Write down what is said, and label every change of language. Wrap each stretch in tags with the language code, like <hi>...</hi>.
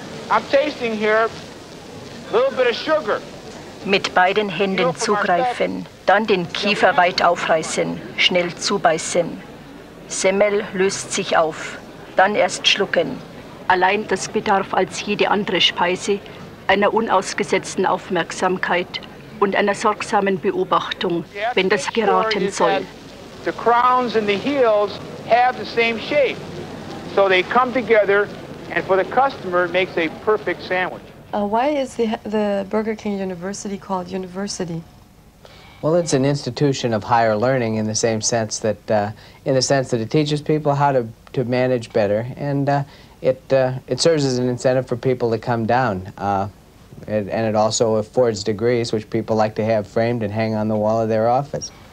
<en>I'm tasting here a little bit of sugar.</en> <de>Mit beiden Händen zugreifen, dann den Kiefer weit aufreißen, schnell zubeißen. Semmel löst sich auf, dann erst schlucken. Allein das bedarf als jede andere Speise einer unausgesetzten Aufmerksamkeit und einer sorgsamen Beobachtung, wenn das geraten soll.</de> <en>The crowns and the heels have the same shape, so they come together, and for the customer it makes a perfect sandwich. Why is the Burger King University called University? Well, it's an institution of higher learning in the same sense that, it teaches people how to manage better, and it serves as an incentive for people to come down, and it also affords degrees which people like to have framed and hang on the wall of their office.</en>